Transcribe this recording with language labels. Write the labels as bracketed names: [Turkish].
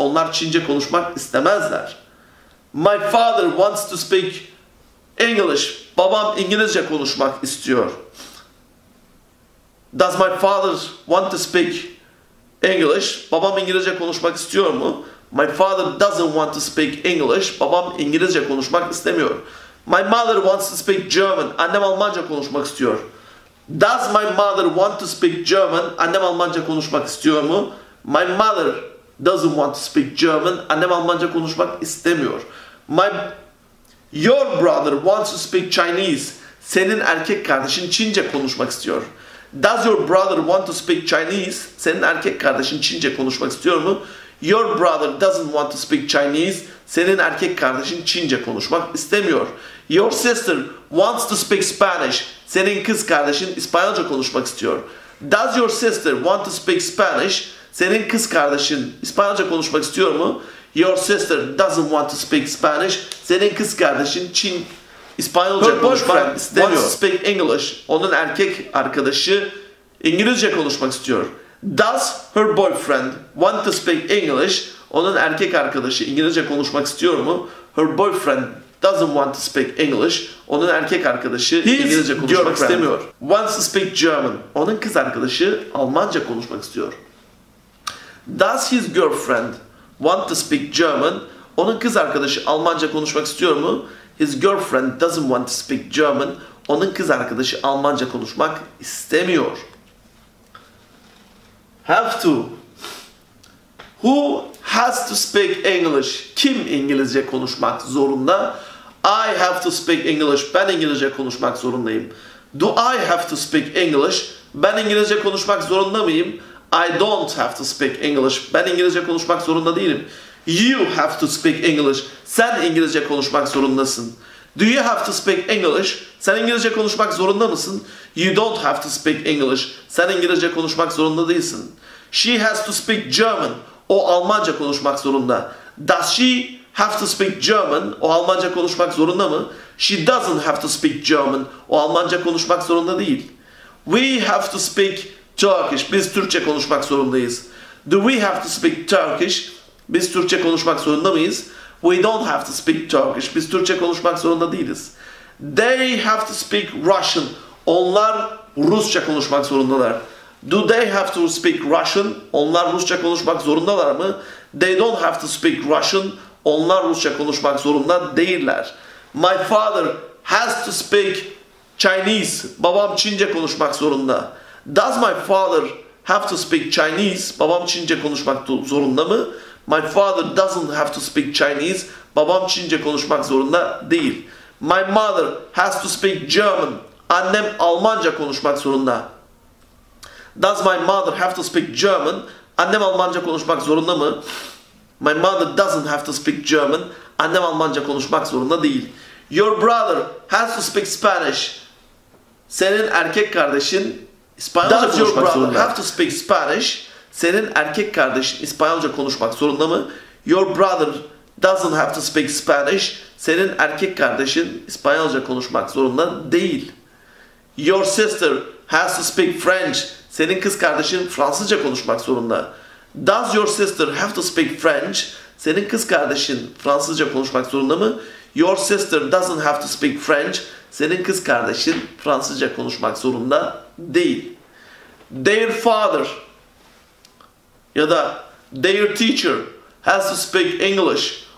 [Turkish] Onlar Çince konuşmak istemezler. [English] My father wants to speak English. [Turkish] Babam İngilizce konuşmak istiyor. [English] Does my father want to speak English? [Turkish] Babam İngilizce konuşmak istiyor mu? [English] My father doesn't want to speak English. [Turkish] Babam İngilizce konuşmak istemiyor. [English] My mother wants to speak German. [Turkish] Annem Almanca konuşmak istiyor. [English] Does my mother want to speak German? [Turkish] Annem Almanca konuşmak istiyor mu? [English] My mother doesn't want to speak German. [Turkish] Annem Almanca konuşmak istemiyor. [English] Your brother wants to speak Chinese. [Turkish] Senin erkek kardeşin Çince konuşmak istiyor. [English] Does your brother want to speak Chinese? [Turkish] Senin erkek kardeşin Çince konuşmak istiyor mu? [English] Your brother doesn't want to speak Chinese. [Turkish] Senin erkek kardeşin Çince konuşmak istemiyor. [English] Your sister wants to speak Spanish. [Turkish] Senin kız kardeşin İspanyolca konuşmak istiyor. [English] Does your sister want to speak Spanish? [Turkish] Senin kız kardeşin İspanyolca konuşmak istiyor mu? [English] Your sister doesn't want to speak Spanish. [Turkish] Senin kız kardeşin İspanyolca konuşmak istemiyor. [English] Wants to speak English. [Turkish] Onun erkek arkadaşı İngilizce konuşmak istiyor. [English] Does her boyfriend want to speak English? [Turkish] Onun erkek arkadaşı İngilizce konuşmak istiyor mu? [English] Her boyfriend doesn't want to speak English. [Turkish] Onun erkek arkadaşı İngilizce konuşmak istemiyor. [English] Wants to speak German. [Turkish] Onun kız arkadaşı Almanca konuşmak istiyor. [English] Does his girlfriend want to speak German? [Turkish] Onun kız arkadaşı Almanca konuşmak istiyor mu? [English] His girlfriend doesn't want to speak German. [Turkish] Onun kız arkadaşı Almanca konuşmak istemiyor. [English] Have to. Who has to speak English? [Turkish] Kim İngilizce konuşmak zorunda? [English] I have to speak English. [Turkish] Ben İngilizce konuşmak zorundayım. [English] Do I have to speak English? [Turkish] Ben İngilizce konuşmak zorunda mıyım? [English] I don't have to speak English. [Turkish] Ben İngilizce konuşmak zorunda değilim. [English] You have to speak English. [Turkish] Sen İngilizce konuşmak zorundasın. [English] Do you have to speak English? [Turkish] Sen İngilizce konuşmak zorunda mısın? [English] You don't have to speak English. [Turkish] Sen İngilizce konuşmak zorunda değilsin. [English] She has to speak German. [Turkish] O Almanca konuşmak zorunda. [English] Does she have to speak German? [Turkish] O Almanca konuşmak zorunda mı? [English] She doesn't have to speak German. [Turkish] O Almanca konuşmak zorunda değil. [English] We have to speak Turkish. [Turkish] Biz Türkçe konuşmak zorundayız. [English] Do we have to speak Turkish? [Turkish] Biz Türkçe konuşmak zorunda mıyız? [English] We don't have to speak Turkish. [Turkish] Biz Türkçe konuşmak zorunda değiliz. [English] They have to speak Russian. [Turkish] Onlar Rusça konuşmak zorundalar. [English] Do they have to speak Russian? [Turkish] Onlar Rusça konuşmak zorundalar mı? [English] They don't have to speak Russian. [Turkish] Onlar Rusça konuşmak zorunda değiller. [English] My father has to speak Chinese. [Turkish] Babam Çince konuşmak zorunda. [English] Does my father have to speak Chinese? [Turkish] Babam Çince konuşmak zorunda mı? [English] My father doesn't have to speak Chinese. [Turkish] Babam Çince konuşmak zorunda değil. [English] My mother has to speak German. [Turkish] Annem Almanca konuşmak zorunda. [English] Does my mother have to speak German? [Turkish] Annem Almanca konuşmak zorunda mı? [English] My mother doesn't have to speak German. [Turkish] Annem Almanca konuşmak zorunda değil. [English] Your brother has to speak Spanish. [Turkish] Senin erkek kardeşin İspanyolca konuşmak zorunda. [English] Does your brother have to speak Spanish? [Turkish] Senin erkek kardeşin İspanyolca konuşmak zorunda mı? [English] Your brother doesn't have to speak Spanish. [Turkish] Senin erkek kardeşin İspanyolca konuşmak zorunda değil. [English] Your sister has to speak French. [Turkish] Senin kız kardeşin Fransızca konuşmak zorunda. [English] Does your sister have to speak French? [Turkish] Senin kız kardeşin Fransızca konuşmak zorunda mı? [English] Your sister doesn't have to speak French. [Turkish] Senin kız kardeşin Fransızca konuşmak zorunda değil. [English] Their father [Turkish] ya da [English] their teacher has to speak English.